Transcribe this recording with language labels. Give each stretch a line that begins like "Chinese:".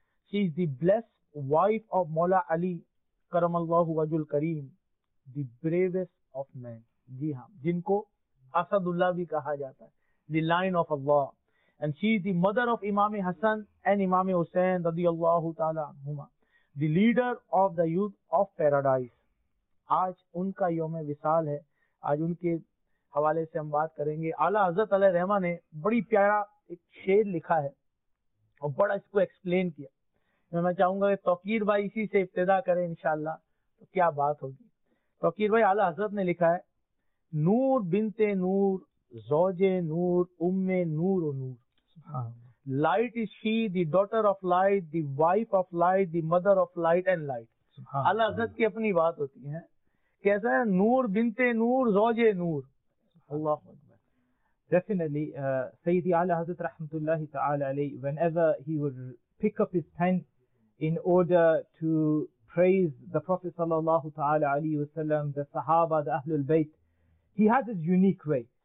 English: She is the blessed wife of Mawla Ali, karamallahu wajhul kareem, the bravest of men.
Urdu: Ji haan, jinko Asadullah bhi kaha jata hai,
English: the line of Allah. And she is the mother of Imam Hassan and Imam Hussain, radiyallahu ta'ala anhuma, the leader of the youth of paradise.
Urdu: Aaj unka yom-e-visal hai, aaj unke حوالے سے ہم بات کریں گے. اعلیٰ حضرت علیہ رحمہ نے بڑی پیارا ایک شعر لکھا ہے اور بڑا اس کو ایکسپلین کیا. میں چاہوں گا کہ توقیر بھائی اسی سے ابتدا کریں انشاءاللہ تو کیا بات ہوگی. توقیر بھائی, اعلیٰ حضرت نے لکھا ہے,
Arabic: نور بنت نور زوج نور ام نور و نور.
English: Light is she the daughter of light the wife of light the mother of light and light.
Urdu: اعلی حضرت کی اپنی بات ہوتی ہے، کیسا ہے
Arabic: نور بنت نور زوج نور.
English: اللہ Definitely, Sayyidi Ala Hazrat Rahmatullahi Ta'ala Alayhi, whenever he would pick up his pen in order to praise the Prophet Sallallahu Ta'ala Alayhi Wasallam, the Sahaba, the Ahlul Bayt, he had his unique way.